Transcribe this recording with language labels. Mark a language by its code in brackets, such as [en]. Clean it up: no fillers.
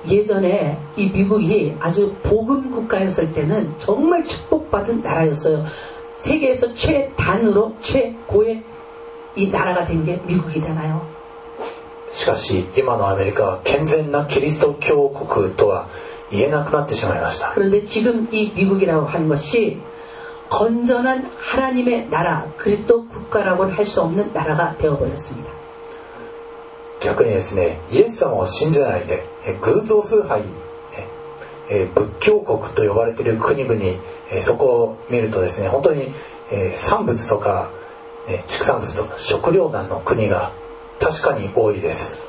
[ko] 예전에이미국이아주복음국가였을때는정말축복받은나라였어요세계에서최단으로최고의이나라가된게미국이잖아요 [ja] しかし今のアメリカは健全なキリスト教国とは言えなくなってしまいました [ko] 그런데지금이미국이라고하는것이건전한하나님의나라그리스도국가라고는할수없는나라가되어버렸습니다 [ja] 逆にですねイエス様を信じないで偶像崇拝仏教国と呼ばれている国々そこを見るとですね本当に産物とか畜産物とか食料難の国が確かに多いです